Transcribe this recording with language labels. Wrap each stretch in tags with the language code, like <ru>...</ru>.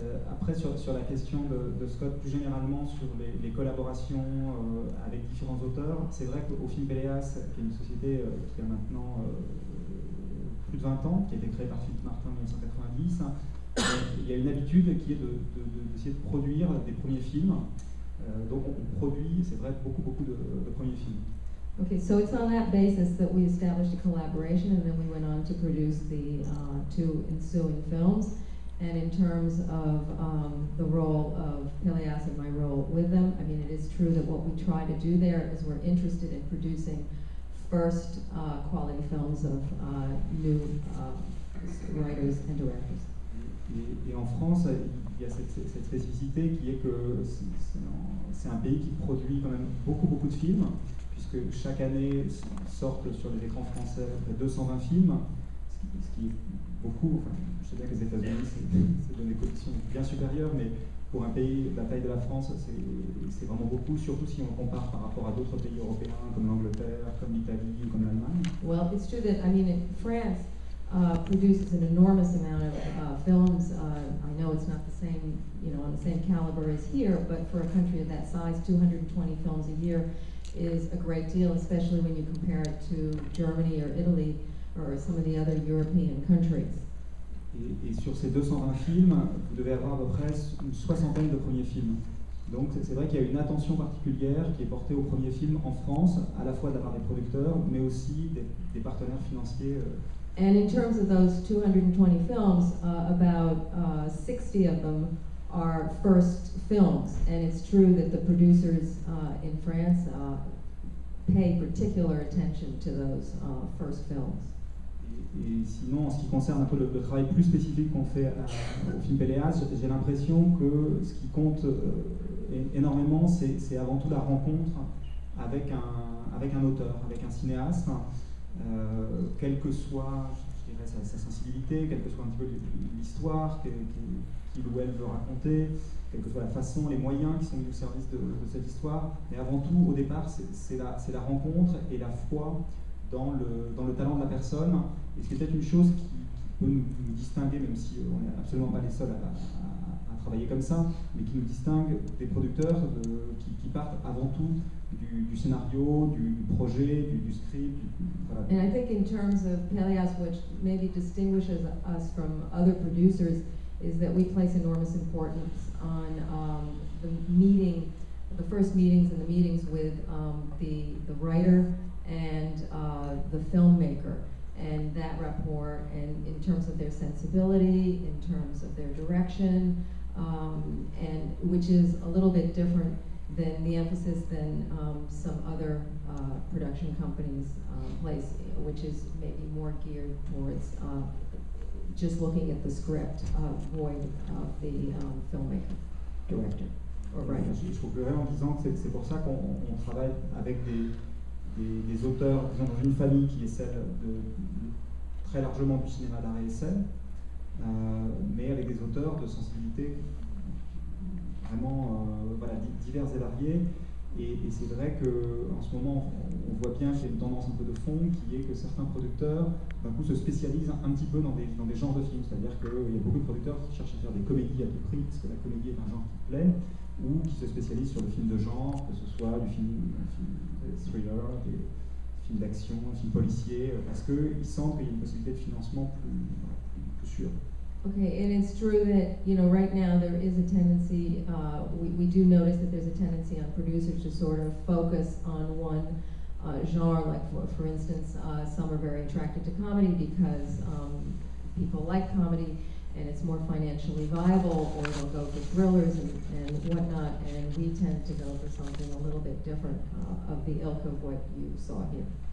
<fr>Après, sur la question de Scott, plus généralement sur les collaborations avec différents auteurs, c'est vrai qu'au film Peleas, qui est une société qui a maintenant plus de 20 ans, qui a été créée par Philippe Martin en 1990, il y a une habitude qui est d'essayer de produire des premiers films. Donc on produit, c'est vrai, beaucoup de premiers films.</fr> <en>Ok, so it's on that basis that we established a collaboration, and then we went on to produce the two ensuing films. And in terms of the role of Peleas and my role with them, I mean, it is true that what we try to do there is we're interested in producing first quality films of new writers and directors.</en> <fr>Et en France, il y a cette spécificité qui est que c'est un pays qui produit quand même beaucoup de films, puisque chaque année sortent sur les écrans français 220 films, ce qui est beaucoup. Enfin, je sais bien que les États-Unis, c'est dans des conditions bien supérieures, mais pour un pays de la taille de la France, c'est vraiment beaucoup, surtout si on compare par rapport à d'autres pays européens comme l'Angleterre, comme l'Italie ou comme l'Allemagne.</fr> <en>Well, it's true that, I mean, France produces an enormous amount of films. I know it's not the same, you know, on the same caliber as here, but for a country of that size, 220 films a year is a great deal, especially when you compare it to Germany or Italy or some of the other European countries.</en> <fr>Et sur ces 220 films, vous devez avoir à peu près une soixantaine de premiers films. Donc c'est vrai qu'il y a une attention particulière qui est portée aux premiers films en France, à la fois de la part des producteurs, mais aussi des partenaires financiers.</fr> <en>And in terms of those 220 films, about 60 of them are first films. And it's true that the producers in France pay particular attention to those first films.</en> <fr>Et sinon, en ce qui concerne un peu le travail plus spécifique qu'on fait au film Peleas, j'ai l'impression que ce qui compte énormément, c'est avant tout la rencontre avec un auteur, avec un cinéaste, quelle que soit, je dirais, sa sensibilité, quelle que soit un petit peu l'histoire qu'il ou elle veut raconter, quelle que soit la façon, les moyens qui sont mis au service de cette histoire. Mais avant tout, au départ, c'est la rencontre et la foi dans le talent de la personne. Et ce qui est peut-être une chose qui peut nous distinguer, même si on n'est absolument pas les seuls à travailler comme ça, mais qui nous distingue des producteurs qui partent avant tout du scénario, du projet, du script.</fr> <en>And I think in terms of Pelias, which maybe distinguishes us from other producers, is that we place enormous importance on the meeting, the first meetings and the meetings with the writer and the filmmaker. And that rapport, and in terms of their sensibility, in terms of their direction, and which is a little bit different than the emphasis than some other production companies place, which is maybe more geared towards just looking at the script void of the filmmaker, director, or writer.</en> <fr>Je conclurai en disant que c'est pour ça qu'on travaille avec des auteurs, disons, dans une famille qui est celle de très largement du cinéma d'art et SF, mais avec des auteurs de sensibilité vraiment diverses et variées. Et c'est vrai qu'en ce moment, on voit bien qu'il y a une tendance un peu de fond qui est que certains producteurs d'un coup se spécialisent un petit peu dans des genres de films. C'est-à-dire qu'il y a beaucoup de producteurs qui cherchent à faire des comédies à tout prix, parce que la comédie est un genre qui plaît, ou qui se spécialisent sur le film de genre, que ce soit un film thriller, des films d'action, des films policiers, parce qu'ils sentent qu'il y a une possibilité de financement plus sûre.</fr> <en>Okay, and it's true that, you know, right now there is a tendency, we do notice that there's a tendency on producers to sort of focus on one genre, like for instance, some are very attracted to comedy because people like comedy and it's more financially viable, or they'll go for thrillers and whatnot, and we tend to go for something a little bit different of the ilk of what you saw here.</en>